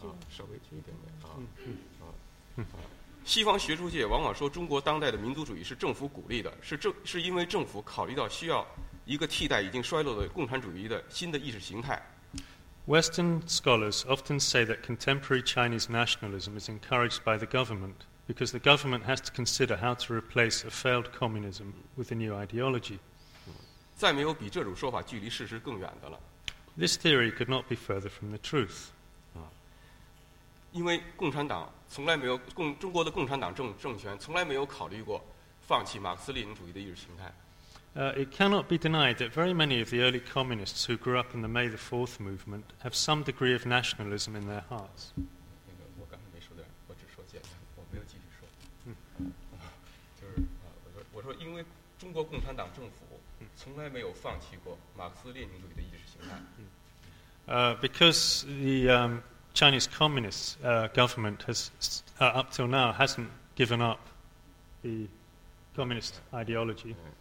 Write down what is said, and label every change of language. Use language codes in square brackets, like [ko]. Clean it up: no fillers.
[zh] 稍微一点点西方学术界往往说中国当代的民族主义是政府鼓励的，是因为政府考虑到需要一个替代已经衰落的共产主义的新的意识形态。 [en] Western scholars often say that contemporary Chinese nationalism is encouraged by the government because the government has to consider how to replace a failed communism with a new ideology. [zh] 再没有比这种说法距离事实更远的了。 [en] This theory could not be further from the truth. [zh] 因为共产党从来没有中国的共产党政权从来没有考虑过放弃马克思列宁主义的意识形态。 [en] It cannot be denied that very many of the early communists who grew up in the May the Fourth movement have some degree of nationalism in their hearts. [zh] 我刚才没说的，我只说简单，我没有继续说。我说因为中国共产党政府。从来没有放弃过马克思列宁主义的意识形态。 [en] Because the Chinese Communist government has up till now hasn't given up the communist ideology.